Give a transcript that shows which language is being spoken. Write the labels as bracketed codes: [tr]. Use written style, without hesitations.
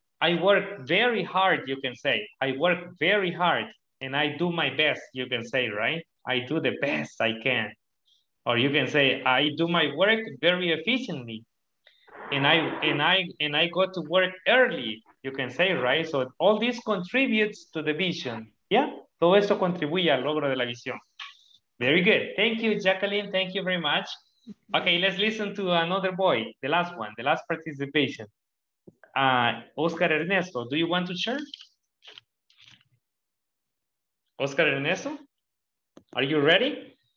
[en] I work very hard, you can say. I work very hard and I do my best, you can say, right? I do the best I can. Or you can say, I do my work very efficiently and I go to work early, you can say, right? So all this contributes to the vision. [es] Yeah, todo esto contribuye al logro de la visión. [en] Very good. Thank you, Jacqueline. Thank you very much. Okay, let's listen to another boy, the last one, the last participation. Oscar Ernesto, do you want to share? Oscar Ernesto, are you ready?